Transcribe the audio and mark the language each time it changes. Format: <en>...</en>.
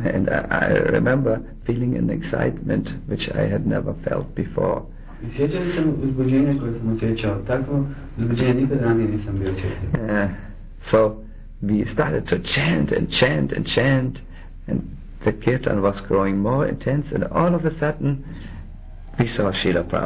<en>And I remember feeling an excitement which I had never felt before.</en> <hr>I sjećao sam uzbuđenje koje sam osjećao. Takvo uzbuđenje nikad ranije nisam bio osjetio.</hr> <en>So we started to chant and chant and chant, and the kirtan was growing more intense, and all of a sudden we saw Srila</en>